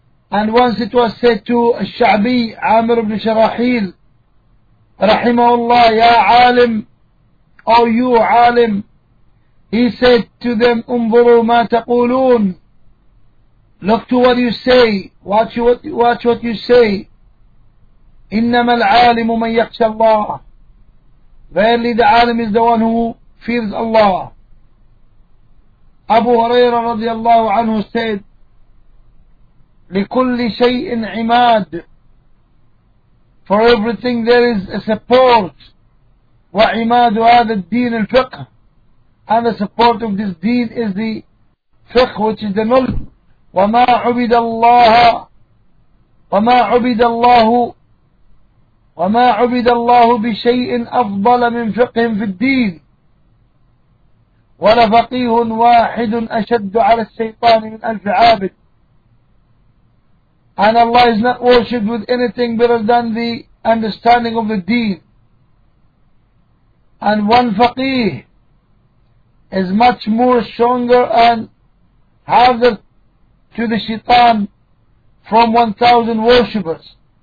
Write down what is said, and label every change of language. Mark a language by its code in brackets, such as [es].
[en] And once it was said to [ar] الشعبي عامر بن شراحيل رحمه الله يا عالم [en] or you عالم, he said to them [ar] انظروا ما تقولون, [en] look to what you say, watch what you say. [ar] إنما العالم من يخشى الله, [en] verily the عالم is the one who fears Allah. [ar] أبو هريرة رضي الله عنه [en] said [ar] لكل شيء عماد, [en] for everything there is a support. [ar] وعماد هذا الدين الفقه, [en] and the support of this deen is the fiqh, which is the knowledge. [ar] وما عبد الله وما عبد الله وما عبد الله بشيء أفضل من فقه في الدين ولا فقيه واحد أشد على الشيطان من ألف عابد. [en] And Allah is not worshipped with anything better than the understanding of the deen. And one faqih is much more stronger and harder to the shaitan from 1,000 worshippers.